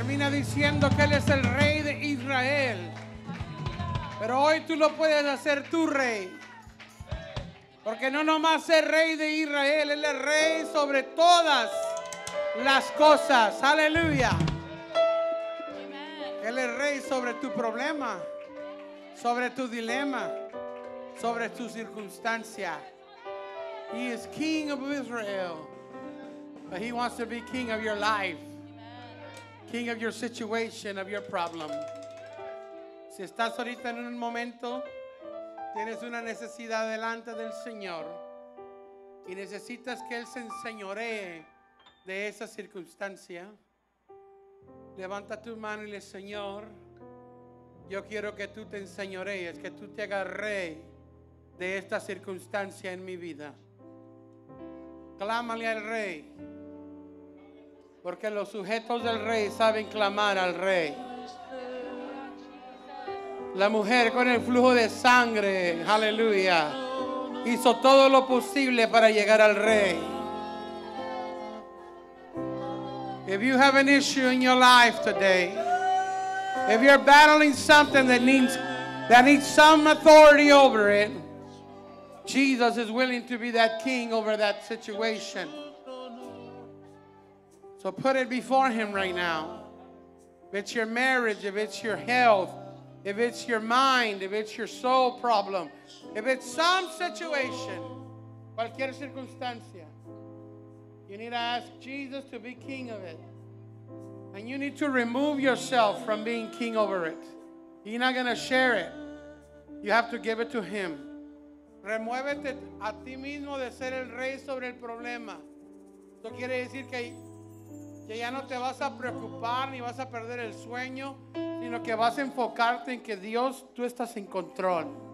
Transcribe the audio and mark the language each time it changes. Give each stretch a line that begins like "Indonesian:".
Spanish: Diciendo que Él es el Rey de Israel, pero hoy tú lo puedes hacer tu Rey, porque no nomás es Rey de Israel, Él es Rey sobre todas las cosas. Aleluya. Él es Rey sobre tu problema, sobre tu dilema, sobre tu circunstancia.
English: He is King of Israel, but He wants to be King of your life, King of your situation, of your problem.
Spanish: Si estás ahorita en un momento, tienes una necesidad delante del Señor y necesitas que Él se enseñoree de esa circunstancia, levanta tu mano y le, Señor, yo quiero que tú te enseñorees, que tú te hagas rey de esta circunstancia en mi vida. Clámale al Rey, porque los sujetos del Rey saben clamar al Rey. La mujer con el flujo de sangre, aleluya, hizo todo lo posible para llegar al Rey.
English: If you have an issue in your life today, if you're battling something that needs some authority over it, Jesus is willing to be that king over that situation. So put it before Him right now. If it's your marriage, if it's your health, if it's your mind, if it's your soul problem, if it's some situation, cualquier circunstancia, you need to ask Jesus to be king of it. And you need to remove yourself from being king over it. You're not going to share it. You have to give it to Him.
Spanish: Remuévete a ti mismo de ser el rey sobre el problema. Eso quiere decir que ya no te vas a preocupar ni vas a perder el sueño, sino que vas a enfocarte en que Dios, tú estás en control.